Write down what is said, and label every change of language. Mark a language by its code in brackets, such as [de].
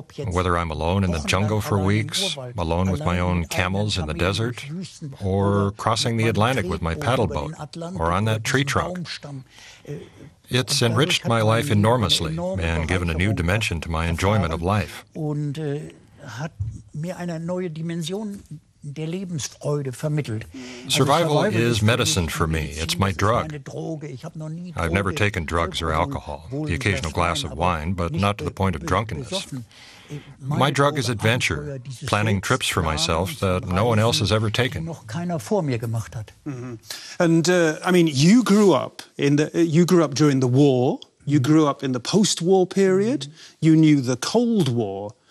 [en] Whether I'm alone in the jungle for weeks, alone with my own camels in the desert, or crossing the Atlantic with my paddle boat, or on that tree trunk. It's enriched my life enormously and given a new dimension to my enjoyment of life. [de] Und hat mir eine neue Dimension der Lebensfreude vermittelt. [en] Survival is medicine for me. It's my drug. I've never taken drugs or alcohol, the occasional glass of wine, but not to the point of drunkenness. My drug is adventure, planning trips for myself that no one else has ever taken. Mm-hmm. And, I mean, you grew up during the war, you grew up in the post-war period, you knew the Cold War.